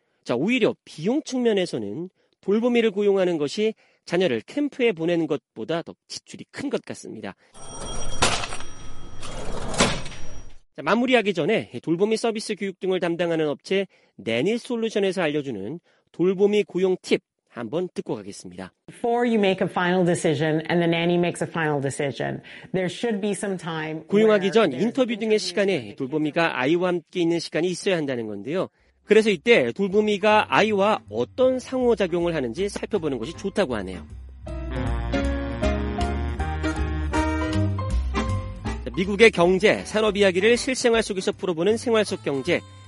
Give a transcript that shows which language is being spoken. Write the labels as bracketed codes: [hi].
[ko] 자, 오히려 비용 측면에서는 돌보미를 고용하는 것이 자녀를 캠프에 보내는 것보다 더 지출이 큰 것 같습니다. 자, 마무리하기 전에 돌보미 서비스 교육 등을 담당하는 업체 네니 솔루션에서 알려주는 돌보미 고용 팁 한번 듣고 가겠습니다. [en] Before you make a final decision and the nanny makes a final decision, there should be some time. [ko] 고용하기 전 인터뷰 등의 시간에 돌보미가 아이와 함께 있는 시간이 있어야 한다는 건데요. 그래서 이때 돌보미가 아이와 어떤 상호작용을 하는지 살펴보는 것이 좋다고 하네요. 미국의 경제, 산업 이야기를 실생활 속에서 풀어보는 생활 속 경제.